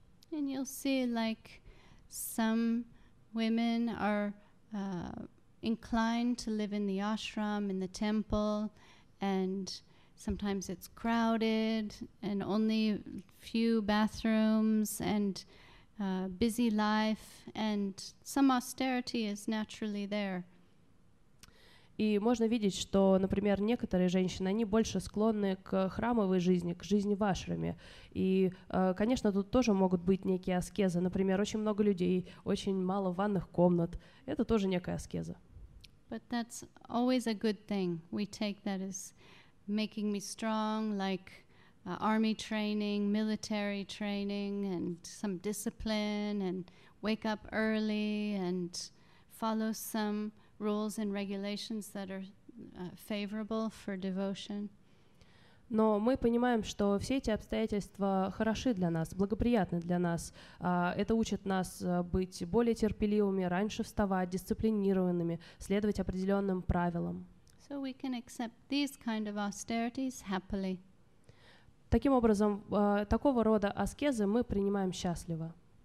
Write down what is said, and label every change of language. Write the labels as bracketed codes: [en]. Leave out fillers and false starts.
[en] And you'll see, like, some women are inclined to live in the ashram, in the temple, and sometimes it's crowded and only few bathrooms and busy life, and some austerity is naturally there. [ru] И можно видеть, что, например, некоторые женщины, они больше склонны к храмовой жизни, к жизни в ашраме. И, конечно, тут тоже могут быть некие аскезы. Например, очень много людей, очень мало ванных комнат. Это тоже некая аскеза. [en] But that's always a good thing. We take that as making me strong, like army training, military training, and some discipline, and wake up early, and follow some rules and regulations that are favorable for devotion. [ru] Но мы понимаем, что все эти обстоятельства хороши для нас, благоприятны для нас. Это учит нас быть более терпеливыми, раньше вставать, дисциплинированными, следовать определенным правилам. [en] So we can accept these kind of austerities happily. [ru] Таким образом, такого рода аскезы мы принимаем счастливо.